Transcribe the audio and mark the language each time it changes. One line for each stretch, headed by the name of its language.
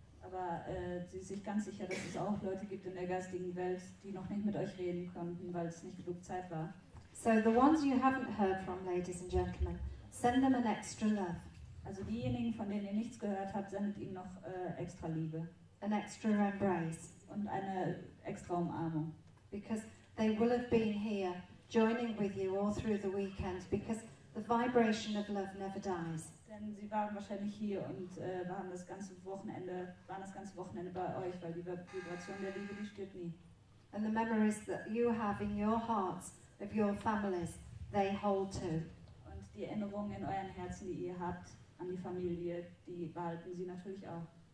German: Aber sie ist sich ganz sicher, dass es auch Leute gibt in der geistigen Welt, die noch nicht mit euch reden konnten, weil es nicht genug Zeit war.
English: So the ones you haven't heard from, ladies and gentlemen, send them an extra love.
German: Also diejenigen, von denen ihr nichts gehört habt, sendet ihnen noch extra Liebe.
English: An extra embrace.
German: Und eine extra Umarmung.
English: Because they will have been here, joining with you all through the weekend, because the vibration of love never dies.
German: Denn sie waren wahrscheinlich hier und waren das ganze Wochenende bei euch, weil die Vibration der Liebe, die stirbt nie.
English: And the memories that you have in your hearts of your families, they hold too.
German: Und die Erinnerungen in euren Herzen, die ihr habt, an die Familie, die behalten sie natürlich auch.